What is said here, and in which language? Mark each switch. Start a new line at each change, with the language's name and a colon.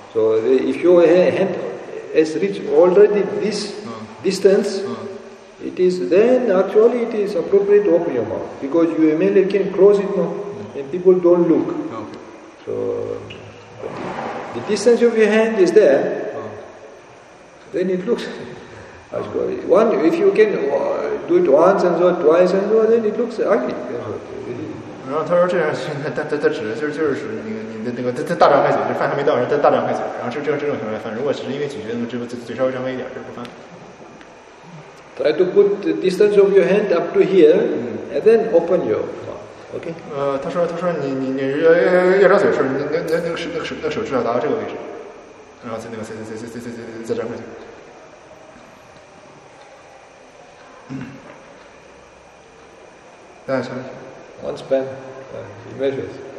English: So if your hand has reached already this distance, it is then actually it is appropriate to open your mouth because you mainly can close it now, and people don't look. Okay. So the distance of your hand is there, then it looks. One, if you can do it once and so twice and so, then it looks ugly.
Chinese: 然后他说这样，他指的就是你的那个他大张开嘴，就饭还没到，他大张开嘴，然后这种情况下犯，如果只是因为咀嚼，那嘴稍微张开一点，这不犯。
English: Try to put the distance of your hand up to here, and then open your mouth. Okay.
Chinese: 他说你要张嘴的时候，那个手至少达到这个位置，然后再张开嘴。
English: That's right. One span. He measures.